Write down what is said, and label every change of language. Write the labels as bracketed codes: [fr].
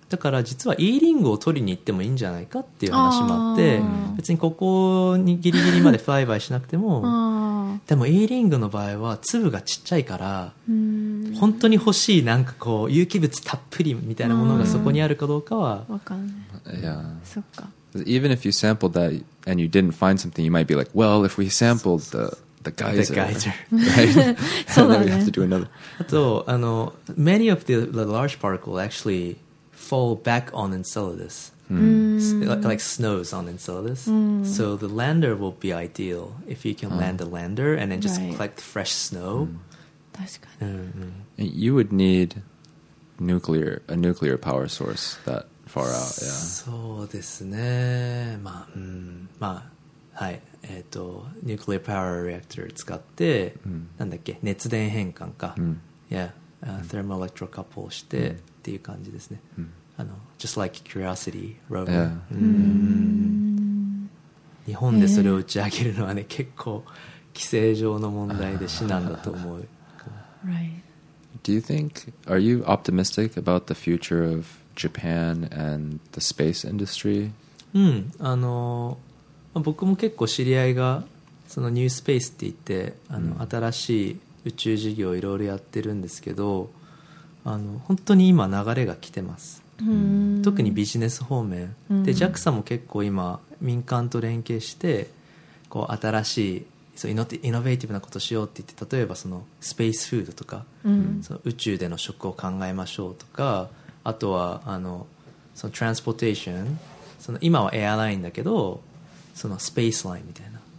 [ja] だから実は E リングを取りに行ってもいいんじゃないかっていう話もあって、別にここにギリギリまでフライバイしなくても、でも E リングの場合は粒がちっちゃいから、本当に欲しいなんかこう有機物たっぷりみたいなものがそこにあるかどうかは分かんない。いや、そっか。 [en] Even if you sampled that and you didn't find something, you might be like, well, if we sampled theThe geyser. The geyser. Right? [ja] そうだね。 [en] Then we have to do another. [ja] あと、あの、 [en] many of the large particles actually fall back on Enceladus. Like snows on Enceladus. So the lander will be ideal if you can land a lander and then just collect fresh snow. [ja] 確かに。 [en] And you would need a nuclear power source that far out, yeah. [ja] そうですね。まあ、うん、まあ、はい。ニュークリアパワーリアクター使って、なんだっけ、熱電変換か、 [en] thermal electro couple [ja] して、っていう感じですね。あの、 [en] just like Curiosity rover、 yeah. [ja] 日本でそれを打ち上げるのはね、結構規制上の問題で至難だと思う。 [en] right. Do you think, are you optimistic about the future of Japan and the space industry? [ja] うん、あの、僕も結構知り合いがそのニュースペースって言って、あの、新しい宇宙事業をいろいろやってるんですけど、あの、本当に今流れが来てます。特にビジネス方面で、 JAXA も結構今民間と連携してこう新しい、そう、イノベーティブなことしようって言って、例えばそのスペースフードとか、その宇宙での食を考えましょうとか、あとはあの、そのトランスポーテーション、その今はエアラインだけど、そのスペースラインみたいな、